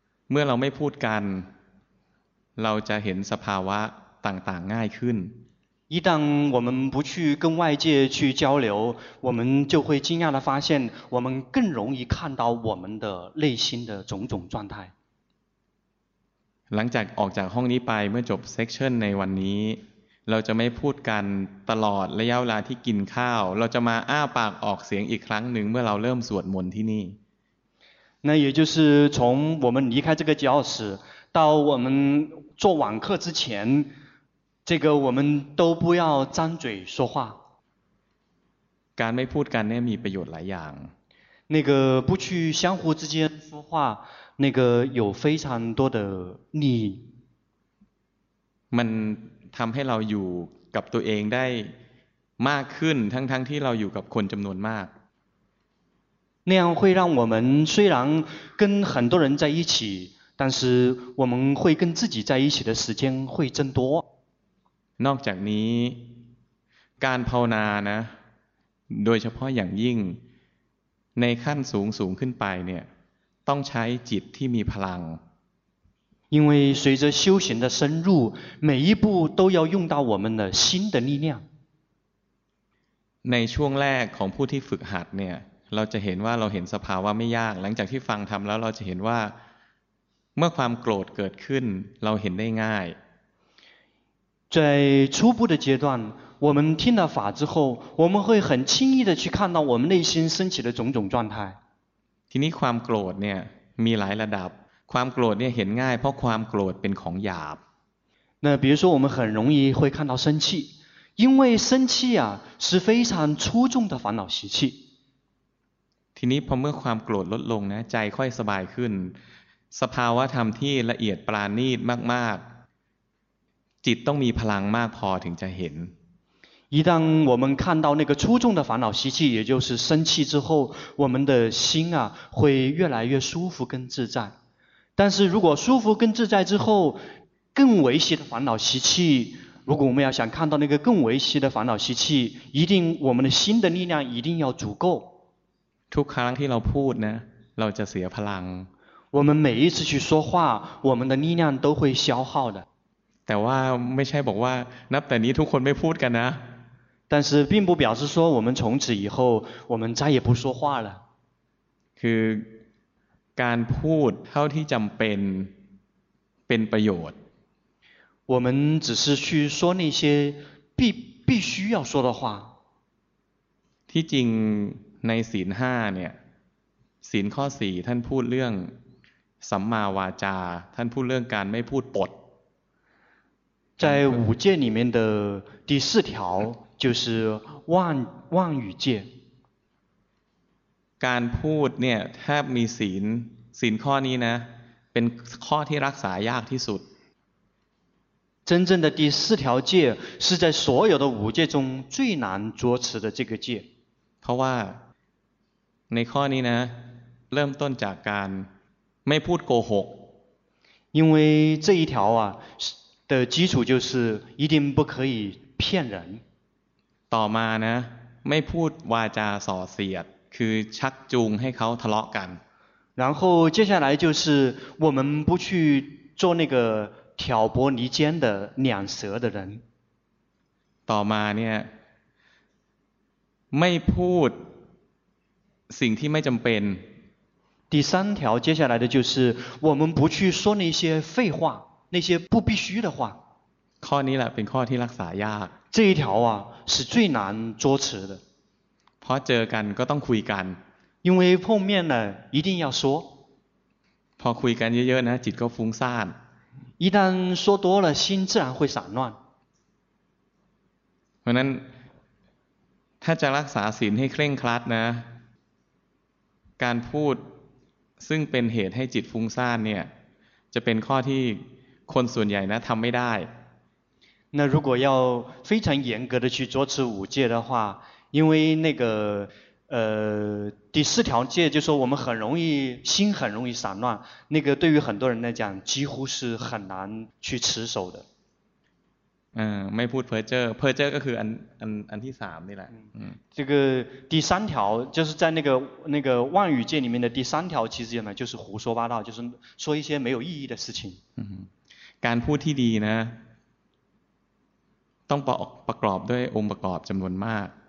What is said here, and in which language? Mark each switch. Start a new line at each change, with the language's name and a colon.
Thai: เมื่อเราไม่พูดกันเราจะเห็นสภาวะต่างๆง่ายขึ้น
Chinese: 一旦我们不去跟外界去交流我们就会惊讶地发现我们更容易看到我们的内心的种种状态
Thai: หลังจากออกจากห้องนี้ไปเมื่อจบเซ็กชันในวันนี้เราจะไม่พูดกันตลอดระยะเวลาที่กินข้าวเราจะมาอ้าปากออกเสียงอีกครั้งหนึ่งเมื่อเราเริ่มสวดมนต์ที่นี่
Chinese: 那也就是从我们离开这个教室到我们做网课之前这个我们都不要张嘴说话
Thai: การไม่พูดกันเนี่ยมีประโยชน์หลายอย่าง
Chinese: 那个不去相互之间说话那个有非常多的利益
Thai: มันทำให้เราอยู่กับตัวเองได้มากขึ้นทั้งที่เราอยู่กับคนจำนวนมาก
Chinese: 那样会让我们虽然跟很多人在一起但是我们会跟自己在一起的时间会增多
Thai: นอกจากนี้การภาวนานะโดยเฉพาะอย่างยิ่งในขั้นสูงขึ้นไปเนี่ยต้องใช้จิตที่มีพลัง
Chinese: 因为随着修行的深入每一步都要用到我们的心的力量
Thai: ในช่วงแรกของผู้ที่ฝึกหัดเนี่ยเราจะเห็นว่าเราเห็นสภาวะไม่ยากหลังจากที่ฟังธรรมแล้วเราจะเห็นว่าเมื่อความโกรธเกิดขึ้นเราเห็นได้ง่าย
Chinese: 在初步的阶段我们听了法之后我们会很轻易的去看到我们内心升起的种种状态
Thai: ทีนี้ความโกรธเนี่ยมีหลายระดับความโกรธเนี่ยเห็นง่ายเพราะความโกรธเป็นของหยาบ
Chinese: 那比如说我们很容易会看到生气因为生气啊是非常粗重的烦恼习气
Thai: ทีนี้พอเมื่อความโกรธลดลงนะใจค่อยสบายขึ้นสภาวะธรรมที่ละเอียดปราณีตมากๆจิตต้องมีพลังมากพอถึงจะเห็น
Chinese: 一旦我们看到那个粗重的烦恼习气也就是生气之后我们的心啊会越来越舒服跟自在但是如果舒服跟自在之后更维系的烦恼习气，如果我们要想看到那个更维系的烦恼习气，一定我们的心的力量一定要足够。
Thai: ทุกครั้งที่เราพูดนะเราจะเสียพลัง
Chinese: 我们每一次去说话，我们的力量都会消耗的。
Thai: แต่ว่าไม่ใช่บอกว่านับแต่นี้ทุกคนไม่พูดกันนะ
Chinese: 但是并不表示说我们从此以后我们再也不说话了。
Thai: คือการพูดเท่าที่จำเป็นประโยชน์
Chinese: 我们只是去说那些必须要说的话。
Thai: ที่จริงในศีล5เนี่ยศีลข้อ4ท่านพูดเรื่องสัมมาวาจาท่านพูดเรื่องการไม่พูดปด
Chinese: 在五戒里面的第四条就是妄语戒
Thai: การพูดเนี่ยถ้ามีศีลข้อนี้นะเป็นข้อที่รักษายากที่สุด
Chinese: 真正的第四条戒是在所有的五戒中最难捉持的这个戒
Thai: เพราะว่าในข้อนี้นะเริ่มต้นจากการไม่พูดโกหก
Chinese: 因为这一条啊的基础就是一定不可以骗人
Thai: ต่อมานะไม่พูดวาจาส่อเสียดคือชักจูงให้เขาทะเลาะกัน
Chinese: 然后接下来就是我们不去做那个挑拨离间的两舌的人
Thai: ต่อมาเนี่ยไม่พูดสิ่งที่ไม่จำเป็น
Chinese: 第三条接下来的就是我们不去说那些废话那些不必须的话
Thai: ข้อนี้แหละเป็นข้อที่รักษายาก
Chinese: 这一条啊是最难捉持的
Thai: เพราะเจอกันก็ต้องคุยกัน
Chinese: 因为碰面了一定要说
Thai: พอคุยกันเยอะๆนะจิตก็ฟุ้งซ่าน
Chinese: 一旦说多了心自然会散乱
Thai: เพราะนั้นถ้าจะรักษาศีลให้เคร่งครัดนะการพูดซึ่งเป็นเหตุให้จิตฟุ้งซ่านเนี่ยจะเป็นข้อที่คนส่วนใหญ่นะทำไม่ได้
Chinese: 那如果要非常严格的去捉持五戒的话因为那个第四条戒就说我们很容易心很容易散乱那个对于很多人来讲几乎是很难去持守的
Thai: ไม่พูดเพ้อเจ้อเพ้อเจ้อก็คืออันที่สามนี่แหละ
Chinese: 这个第三条就是在那个妄语戒里面的第三条其实呢就是胡说八道就是说一些没有意义的事情
Thai: การพูดที่ดีนะต้องประกอบด้วยองค์ประกอบจำนวนมาก